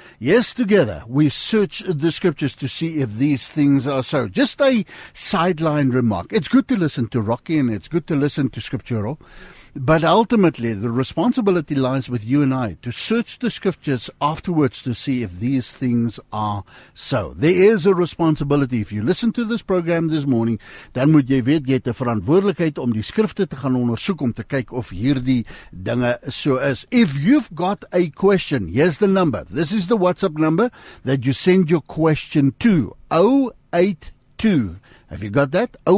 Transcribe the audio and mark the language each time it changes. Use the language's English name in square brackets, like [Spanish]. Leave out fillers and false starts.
[English] Yes, together, we search the scriptures to see if these things are so. Just a sideline remark. It's good to listen to Rocky, and it's good to listen to Scriptural. But ultimately, the responsibility lies with you and I to search the scriptures afterwards to see if these things are so. There is a responsibility. If you listen to this program this morning, [Afrikaans] dan moet jy weet, jy het 'n verantwoordelikheid om die skrifte te gaan ondersoek om te kyk of hierdie dinge so is. [English] If you've got a question, here's the number. This is the WhatsApp number that you send your question to. 082. Have you got that?